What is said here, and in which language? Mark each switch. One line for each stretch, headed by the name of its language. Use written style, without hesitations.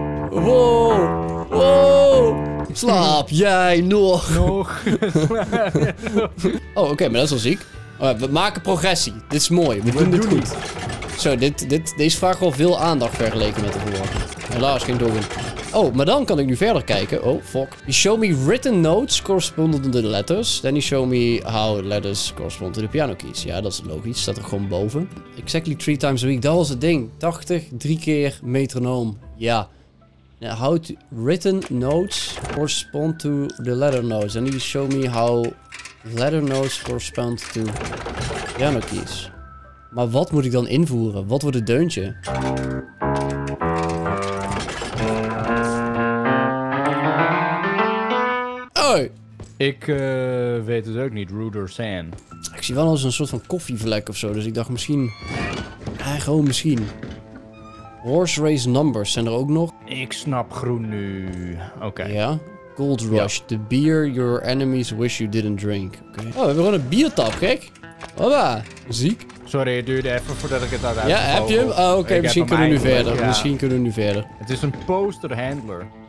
Dutch: Wow. Slaap jij nog? Nog. Oh, oké, maar dat is wel ziek. We maken progressie. Dit is mooi. We doen dit goed. Zo, deze vraagt wel veel aandacht vergeleken met de vorige. Helaas geen doorwin. Oh, maar dan kan ik nu verder kijken. Oh, fuck.
English: You show me written notes corresponding to the letters. Then you show me how letters correspond to the piano keys.
Dutch: Ja, dat is logisch. Staat er gewoon boven.
English: Exactly 3 times a week.
Dutch: Dat was het ding. 80, 3 keer metronoom. Ja.
English: How written notes correspond to the letter notes. Then you show me how letter notes correspond to piano keys.
Dutch: Maar wat moet ik dan invoeren? Wat wordt het deuntje? Hoi! Ik weet het ook niet, Ruder San. Ik zie wel eens een soort van koffievlek of zo, dus ik dacht misschien. Gewoon misschien.
English: Horse race numbers
Dutch: zijn er ook nog. Ik snap groen nu. Oké. Ja?
English: Gold Rush, the beer your enemies wish you didn't drink. Okay.
Dutch: Oh, we hebben gewoon een biertap, gek. Hoppa, ziek. Sorry, het duurde even voordat ik het had. Ja, heb je hem? Oh, oké, misschien kunnen we nu verder. Ja. Misschien kunnen we nu verder. Het is een poster handler.